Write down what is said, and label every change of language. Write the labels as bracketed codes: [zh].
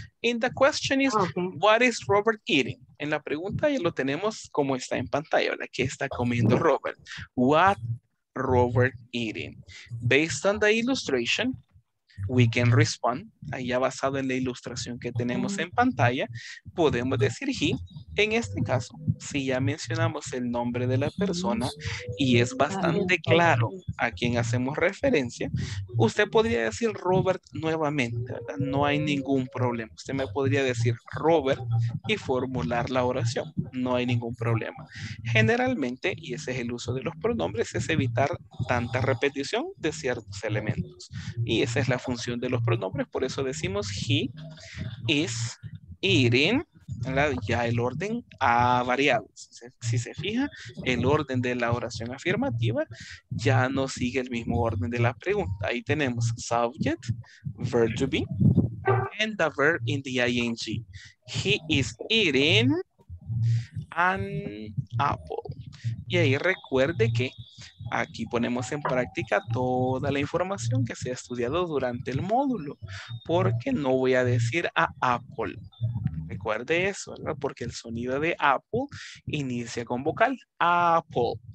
[en] And the question is, what is Robert eating? [es] En la pregunta ya lo tenemos como está en pantalla, ¿verdad? ¿Qué está comiendo Robert? [en] What Robert eating? Based on the illustration, we can respond. [es] Allá basado en la ilustración que tenemos en pantalla, podemos decir he. En este caso, si ya mencionamos el nombre de la persona y es bastante claro a quién hacemos referencia, usted podría decir Robert nuevamente, ¿verdad? No hay ningún problema. Usted me podría decir Robert y formular la oración. No hay ningún problema. Generalmente, y ese es el uso de los pronombres, es evitar tanta repetición de ciertos elementos. Y esa es la función de los pronombres. Por eso decimos [en] he is eating. [es] Ya el orden ha variado. Si se fija, el orden de la oración afirmativa ya no sigue el mismo orden de la pregunta. Ahí tenemos [en] subject, verb to be, and the verb in the ing. He is eating an apple. [es] Y ahí recuerde que aquí ponemos en práctica toda la información que se ha estudiado durante el módulo, porque no voy a decir a apple. Recuerde eso, ¿verdad? Porque el sonido de apple inicia con vocal, apple.